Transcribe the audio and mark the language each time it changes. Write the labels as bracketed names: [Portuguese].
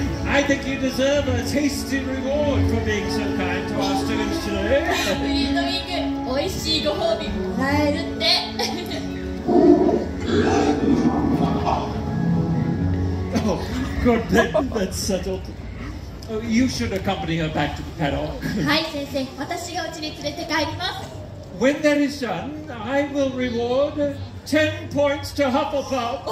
[English] I think you deserve a tasty reward for being so kind to our students today. [Japanese] Fleetwinger, 美味しいご褒美もらえるって。 [English] Oh, good then. That's settled. You should accompany her back to the paddock. [Japanese] はい、先生。私がお家に連れて帰ります。 [English] When that is done, I will reward 10 points to Hufflepuff.